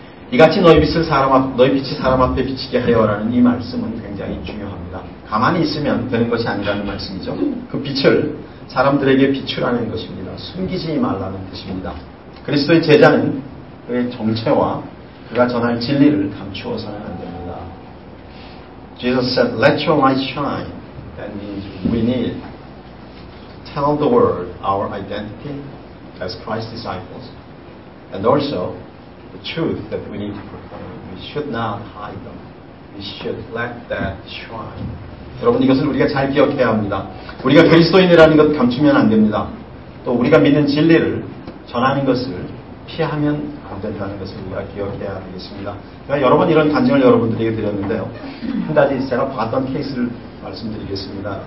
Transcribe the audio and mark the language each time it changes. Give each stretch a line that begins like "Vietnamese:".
Korean: 이같이 너희 빛이 사람 앞에 비치게 하여라는 이 말씀은 굉장히 중요합니다. 가만히 있으면 되는 것이 아니라는 말씀이죠. 그 빛을 사람들에게 비추라는 것입니다. 숨기지 말라는 뜻입니다. 그리스도의 제자는 그의 정체와 그가 전할 진리를 감추어서는 안 됩니다.
English: Jesus said, "Let your light shine." That means we need to tell the world our identity as Christ's disciples, and also the truth that we need to proclaim. We should not hide them. We should let that shine.
Korean: 여러분, 이것을 우리가 잘 기억해야 합니다. 우리가 그리스도인이라는 것 감추면 안 됩니다. 또 우리가 믿는 진리를 전하는 것을 피하면 안 된다는 것을 우리가 기억해야 하겠습니다. 제가 여러 번 이런 간증을 여러분들에게 드렸는데요. 한 가지 제가 봤던 케이스를 말씀드리겠습니다.